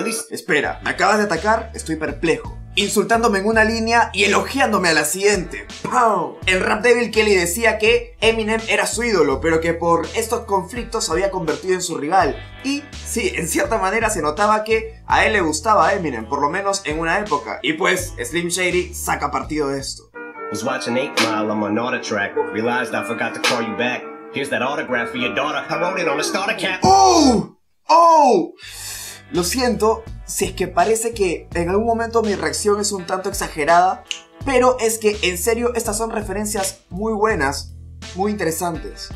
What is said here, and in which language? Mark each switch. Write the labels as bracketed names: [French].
[Spanish] Espera, ¿me acabas de atacar? Estoy perplejo. Insultándome en una línea y elogiándome a la siguiente. ¡Pow! En Rap Devil Kelly decía que Eminem era su ídolo, pero que por estos conflictos se había convertido en su rival. Y sí, en cierta manera se notaba que a él le gustaba a Eminem, por lo menos en una época. Y pues, Slim Shady saca partido de esto. [English] Was watching 8 Mile on my auto track. Realized I forgot to call you back. Here's that autograph for your daughter. I wrote it on a starter cap. [Spanish] ¡Oh! ¡Oh! Lo siento. Si es que parece que en algún momento mi reacción es un tanto exagerada, pero es que en serio estas son referencias muy buenas, muy interesantes.